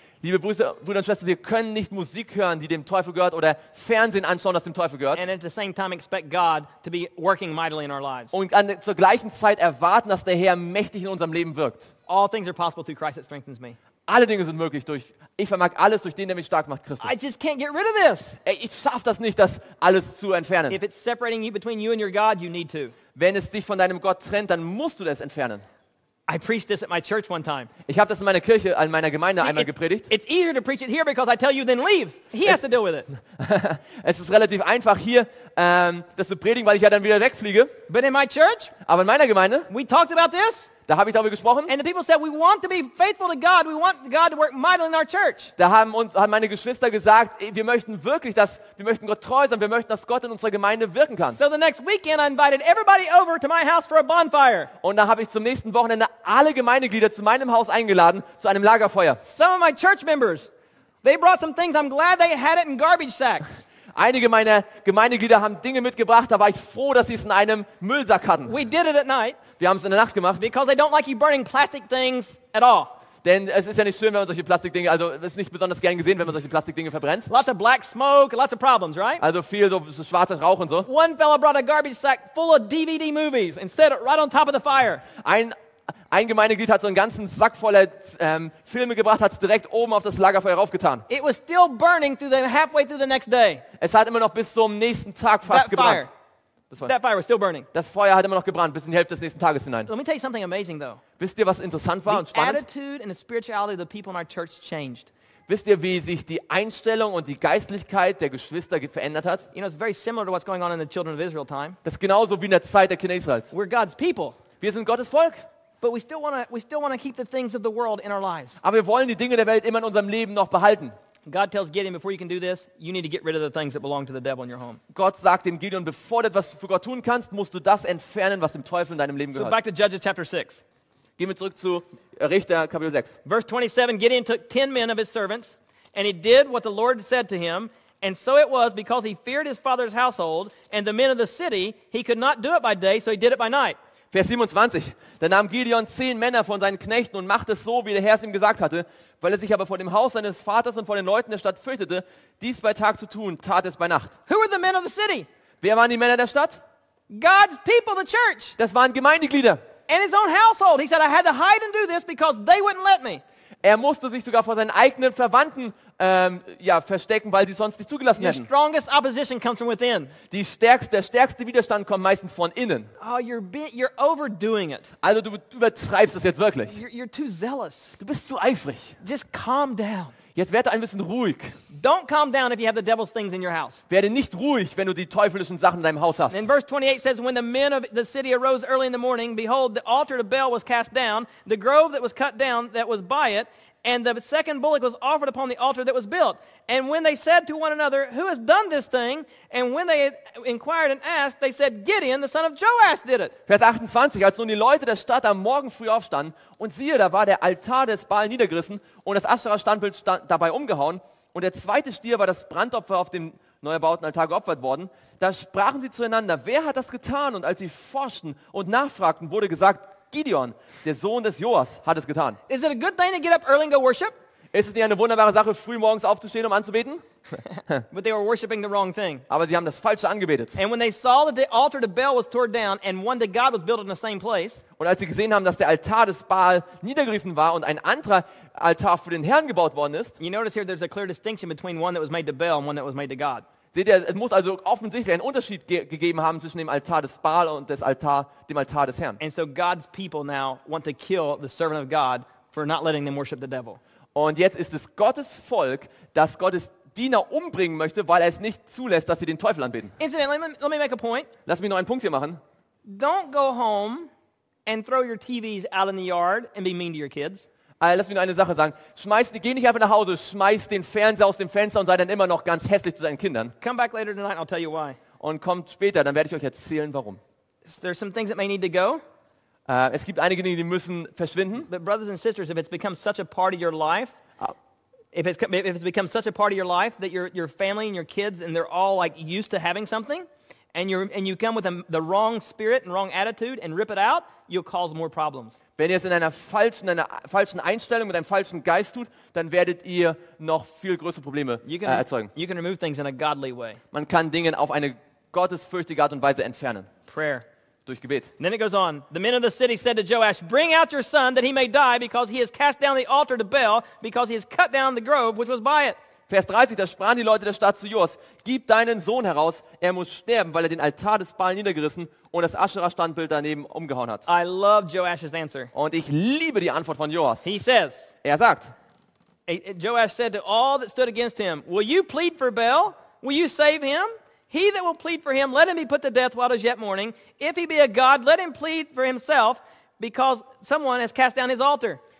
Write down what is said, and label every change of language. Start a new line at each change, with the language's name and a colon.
German: Liebe Brüder und Schwestern, wir können nicht Musik hören, die dem Teufel gehört, oder Fernsehen anschauen, das dem Teufel gehört.
English: And at the same time expect God to be working mightily in our lives.
German: Und zur gleichen Zeit erwarten, dass der Herr mächtig in unserem Leben wirkt.
English: All things are possible through Christ that strengthens me.
German: Alle Dinge sind möglich durch, ich vermag alles durch den, der mich stark macht, Christus.
English: I just can't get rid of this.
German: Ich schaffe das nicht, das alles zu entfernen.
English: If it's separating you between you and your God, you need to.
German: Wenn es dich von deinem Gott trennt, dann musst du das entfernen.
English: I preached this at my church one time.
German: Ich habe das in meiner Kirche, in meiner Gemeinde einmal gepredigt.
English: It's easier to preach it here because I tell you, then leave. He has to deal with it.
German: Es ist relativ einfach hier, das zu predigen, weil ich ja dann wieder wegfliege.
English: But in my church,
German: aber in meiner Gemeinde,
English: we talked about this.
German: Da habe ich darüber gesprochen.
English: And the people said, we want to be faithful to God. We want God to work mightily in our church.
German: Da haben uns meine Geschwister gesagt, wir möchten wirklich, dass wir möchten Gott treu sein. Wir möchten, dass Gott in unserer Gemeinde wirken kann.
English: So the next weekend, I invited everybody over to my house for a bonfire.
German: Und da habe ich zum nächsten Wochenende alle Gemeindeglieder zu meinem Haus eingeladen zu einem Lagerfeuer.
English: Some of my church members, they brought some things. I'm glad they had it in garbage sacks.
German: Einige meiner Gemeindeglieder haben Dinge mitgebracht, da war ich froh, dass sie es in einem Müllsack hatten.
English: We did it at night.
German: Wir haben es in der Nacht gemacht.
English: Because I don't like you burning plastic things at all.
German: Denn es ist ja nicht schön, wenn man solche Plastikdinge, also es ist nicht besonders gern gesehen, wenn man solche Plastikdinge verbrennt.
English: Lots of black smoke, lots of problems, right?
German: Also viel so schwarzer Rauch und so.
English: One fellow brought a garbage sack full of DVD movies and set it right on top of the fire.
German: Ein Gemeindeglied hat so einen ganzen Sack voller Filme gebracht, hat es direkt oben auf das Lagerfeuer raufgetan.
English: It was still burning through the halfway through the next day.
German: Es hat immer noch bis zum nächsten Tag fast
English: that
German: gebrannt.
English: That fire was still burning.
German: Das Feuer hat immer noch gebrannt bis in die Hälfte des nächsten Tages hinein.
English: Let me tell you something amazing though.
German: Wisst ihr, was interessant war
English: the
German: und spannend?
English: The attitude and the spirituality of the people in our church changed.
German: Wisst ihr, wie sich die Einstellung und die Geistlichkeit der Geschwister verändert hat?
English: You know, it's very similar to what's going on in the children of Israel time.
German: Das ist genauso wie in der Zeit der Kinder Israels.
English: We're God's people.
German: Wir sind Gottes Volk.
English: But we still want to keep the things of the world in our lives.
German: Aber wir wollen die Dinge der Welt immer in unserem Leben noch behalten.
English: God tells Gideon, before you can do this, you need to get rid of the things that belong to the devil in your home.
German: Gott sagt dem Gideon, bevor du etwas für Gott tun kannst, musst du das entfernen, was dem Teufel in deinem Leben gehört.
English: So back to Judges chapter 6.
German: Gehen wir zurück zu Richter Kapitel 6.
English: Verse 27, Gideon took 10 men of his servants, and he did what the Lord said to him, and so it was, because he feared his father's household and the men of the city, he could not do it by day, so he did it by night.
German: Vers 27, da nahm Gideon 10 Männer von seinen Knechten und machte es so, wie der Herr es ihm gesagt hatte, weil er sich aber vor dem Haus seines Vaters und vor den Leuten der Stadt fürchtete, dies bei Tag zu tun, tat es bei Nacht.
English: Who were the men of the city?
German: Wer waren die Männer der Stadt?
English: God's people, the church.
German: Das waren Gemeindeglieder.
English: And his own household. He said, I had to hide and do this because they wouldn't let me.
German: Er musste sich sogar vor seinen eigenen Verwandten verstecken, weil sie sonst nicht zugelassen
English: your
German: hätten.
English: Strongest opposition comes from within.
German: Der stärkste Widerstand kommt meistens von innen.
English: Oh, you're overdoing it.
German: Also du übertreibst es jetzt wirklich.
English: You're too zealous.
German: Du bist zu eifrig.
English: Just calm down.
German: Jetzt werde ein bisschen ruhig.
English: Don't calm down if you have the devil's things in your house.
German: Werde nicht ruhig, wenn du die teuflischen Sachen in deinem Haus hast.
English: In verse 28 says, when the men of the city arose early in the morning, behold, the altar to Baal was cast down, the grove that was cut down that was by it, And the second bullock was offered upon the altar that was built. And when they said to one another, who has done this thing? And when they had inquired and asked, they said, Gideon, the son of Joash, did it.
German: Vers 28, als nun die Leute der Stadt am Morgen früh aufstanden, und siehe, da war der Altar des Baal niedergerissen und das Aschera-Standbild dabei umgehauen, und der zweite Stier war das Brandopfer auf dem neuerbauten Altar geopfert worden, da sprachen sie zueinander, wer hat das getan? Und als sie forschten und nachfragten, wurde gesagt, Gideon, der Sohn des Joas, hat es getan.
English: Is it a good thing to get up early and go worship?
German: Ist es nicht eine wunderbare Sache, früh morgens aufzustehen, um anzubeten?
English: But they were worshiping the wrong thing.
German: Aber sie haben das Falsche angebetet.
English: And when they saw that the altar to Baal was torn down and one to God was built in the same place.
German: Und als sie gesehen haben, dass der Altar des Baal niedergerissen war und ein anderer Altar für den Herrn gebaut worden ist.
English: You notice here there's a clear distinction between one that was made to Baal and one that was made to God.
German: Seht ihr, es muss also offensichtlich einen Unterschied gegeben haben zwischen dem Altar des Baal und dem Altar des Herrn.
English: And so God's people now want to kill the servant of God for not letting them worship the devil.
German: Und jetzt ist es Gottes Volk, das Gottes Diener umbringen möchte, weil es nicht zulässt, dass sie den Teufel anbeten.
English: Incidentally, let me make a point.
German: Lass mich noch einen Punkt hier machen.
English: Don't go home and throw your TVs out in the yard and be mean to your kids.
German: Lass mich nur eine Sache sagen. Geh nicht einfach nach Hause, schmeiß den Fernseher aus dem Fenster und sei dann immer noch ganz hässlich zu deinen Kindern.
English: Come back later tonight, I'll tell you why.
German: Und kommt später, dann werde ich euch erzählen, warum.
English: There's some things that may need to go.
German: Es gibt einige Dinge, die müssen verschwinden.
English: But brothers and sisters, if it's become such a part of your life, that your family and your kids and they're all like used to having something, and you come with the wrong spirit and wrong attitude and rip it out, you'll cause more problems.
German: Wenn ihr es in einer falschen Einstellung mit einem falschen Geist tut, dann werdet ihr noch viel größere Probleme erzeugen.
English: You can remove things in a godly way.
German: Man kann Dinge auf eine gottesfürchtige Art und Weise entfernen.
English: Prayer.
German: Durch Gebet.
English: And then it goes on. The men of the city said to Joash, bring out your son that he may die, because he has cast down the altar to Baal, because he has cut down the grove which was by it.
German: Vers 30, da sprachen die Leute der Stadt zu Joas, gib deinen Sohn heraus, er muss sterben, weil er den Altar des Baal niedergerissen und das Aschera-Standbild daneben umgehauen hat.
English: I love Joash's answer.
German: Und ich liebe die Antwort von Joas.
English: He says,
German: er sagt,
English: Joash said to all that stood against him, will you plead for Baal? Will you save him? He that will plead for him, let him be put to death while it is yet morning. If he be a god, let him plead for himself, because someone has cast down his altar.